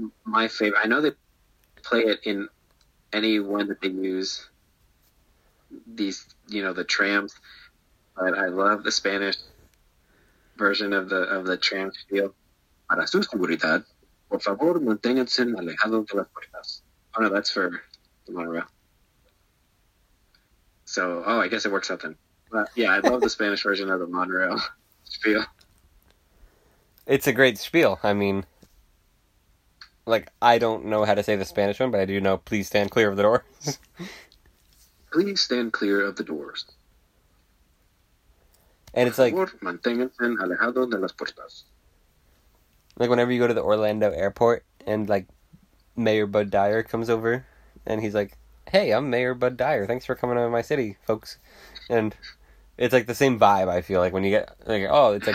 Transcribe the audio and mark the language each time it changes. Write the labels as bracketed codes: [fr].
[en] My favorite, I know they play it in any one that they use, these, you know, the trams, but I love the Spanish version of the tram feel. [es] Para su seguridad, por favor, manténganse alejado de las puertas. [en] Oh, no, that's for the monorail. So, I guess it works out then. I love the Spanish version of the monorail spiel. It's a great spiel. I mean, like, I don't know how to say the Spanish one, but I do know, please stand clear of the doors. Please stand clear of the doors. And it's like... [es] Manténganse alejado de las puertas. [en] Like, whenever you go to the Orlando airport, and, like, Mayor Bud Dyer comes over, and he's like, "Hey, I'm Mayor Bud Dyer. Thanks for coming to my city, folks." And it's like the same vibe, I feel like, when you get like, oh, it's like...